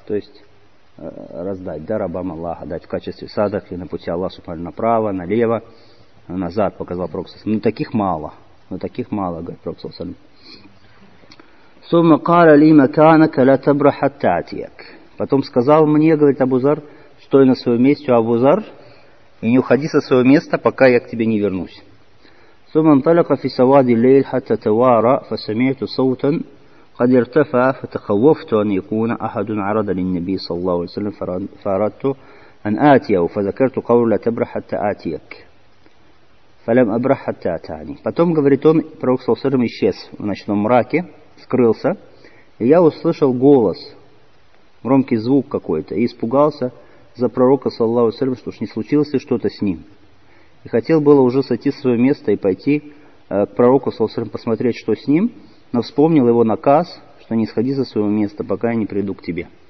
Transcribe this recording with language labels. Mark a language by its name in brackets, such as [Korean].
[Russian] То есть, раздать, да, рабам Аллаха, дать в качестве садок и на пути Аллаха Субхану направо, налево, назад, показал пророк саллаллаху алейхи ва саллям. Но таких мало, говорит пророк саллаллаху алейхи ва саллям. [Arabic] Сумма кара ли маканака ля табра хатта атияк. [Russian] Потом сказал мне, говорит Абу Зар: «Стой на своем месте, Абу Зар, и не уходи со своего места, пока я к тебе не вернусь». [Arabic] ثم انطلق في سواد الليل حتى توارى فسمعت صوتا قد ارتفع فتخوفت أن يكون أحد عرض للنبي صلى الله عليه وسلم فأردت أن آتيه فذكرت قول لا تبرح حتى آتيك فلم أبرح حتى أتاني. [Russian] Потом говорит он, пророк саллаллаху алейхи ва саллям исчез в ночном мраке, скрылся, и я услышал голос, громкий звук какой-то, и испугался за пророка саллаллаху алейхи ва саллям, что уж не случилось ли что-то с ним. И хотел было уже сойти с своего места и пойти к пророку саллаллаху алейхи ва саллям посмотреть, что с ним, но вспомнил его наказ, что не сходи со своего места, пока я не приду к тебе.